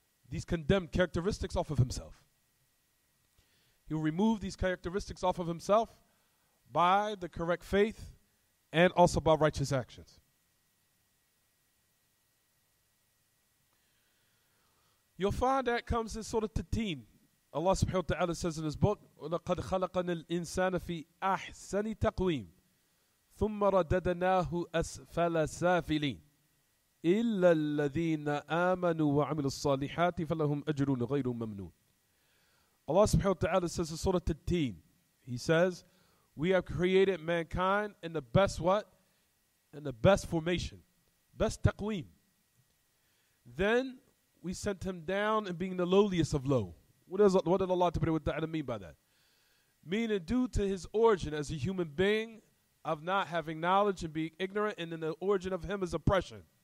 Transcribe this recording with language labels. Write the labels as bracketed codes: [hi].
[en] These condemned characteristics off of himself. He will remove these characteristics off of himself by the correct faith and also by righteous actions. You'll find that comes in Surah Tateen. Allah subhanahu wa ta'ala says in his book, [ar] وَلَقَدْ خَلَقَنَا الْإِنسَانَ فِي أَحْسَنِ تَقْوِيمٍ ثُمَّ رَدَدَنَاهُ أَسْفَلَ سَافِلِينَ إِلَّا الَّذِينَ آمَنُوا وَعَمِلُوا الصَّالِحَاتِ فَلَهُمْ أَجْرٌ غَيْرُ مَمْنُونَ. [en] Allah subhanahu wa ta'ala says in Surah Tateen, he says, we have created mankind in the best what? In the best formation. Best taqweem. Then we sent him down and being the lowliest of low. What did Allah Ta'ala mean by that? Meaning due to his origin as a human being of not having knowledge and being ignorant, and then the origin of him is oppression.